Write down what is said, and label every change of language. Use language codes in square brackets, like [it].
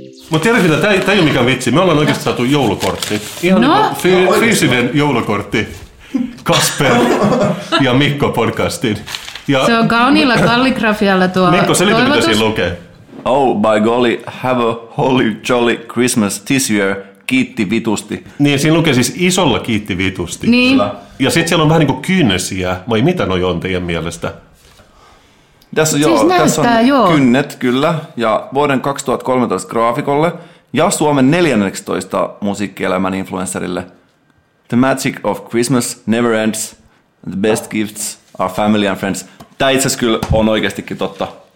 [fi] Mutta tiedätkö mitä, tämä ei ole mikään vitsi. Me ollaan oikeasti saatu joulukortti. Ihan fyysinen joulukortti Kasper ja Mikko podcastiin. Ja se on kauniilla kalligrafialla tuo Mikko, selitä mitä siinä lukee. [en] Oh by golly, have a holy jolly Christmas this year. [fi] Kiitti vitusti. Niin, siinä lukee siis isolla kiitti vitusti. Niin. Ja sitten siellä on vähän niin kuin kynnesiä. Vai mitä noi on teidän mielestä? Tässä, siis joo, näyttää, tässä on joo. Kynnet, kyllä, ja vuoden 2013 graafikolle ja Suomen 14. musiikkielämän influencerille. [en] The magic of Christmas never ends, the best gifts are family and friends. [fi] Tämä itse asiassa kyllä on oikeastikin totta.